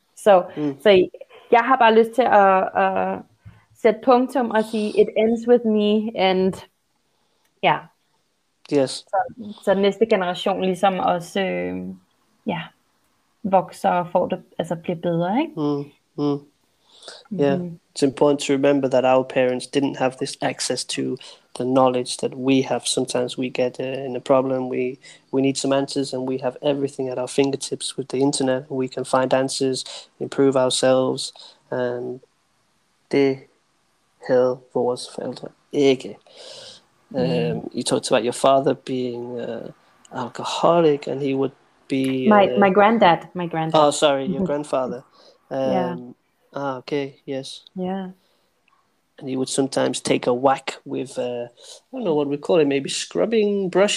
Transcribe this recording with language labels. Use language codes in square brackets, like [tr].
[da] Så jeg har bare lyst til at sætte punktum og sige [en] it ends with me, [da] and ja. [en] Yes. [da] Så næste generation ligesom også vokser og får det, altså bliver bedre, ikke? [en] It's important to remember that our parents didn't have this access to the knowledge that we have. Sometimes we get in a problem, we need some answers, and we have everything at our fingertips with the internet. We can find answers, improve ourselves, and [da] det havde vores forældre ikke. [en] You talked about your father being alcoholic, and he would be my granddad. Oh, sorry, your grandfather. And he would sometimes take a whack with I don't know what we call it, maybe scrubbing brush.